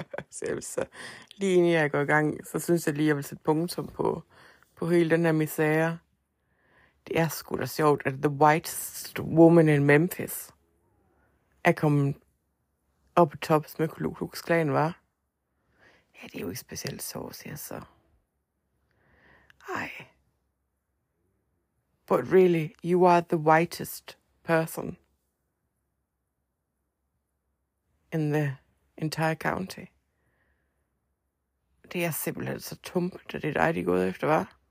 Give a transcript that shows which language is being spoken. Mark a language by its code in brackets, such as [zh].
[da] Så lige inden jeg går i gang, så synes jeg lige, jeg vil sætte punktum på hele den her misære. Det er sgu da sjovt, at [en] the whitest woman in Memphis [da] er kommet op på toppen med Ku Klux Klan, hva'? Ja, det er jo ikke specielt så, siger så. Ej. [en] But really, you are the whitest person in the entire county. [da] Det er simpelthen så tumpet, at det er dig, de går efter, hva'?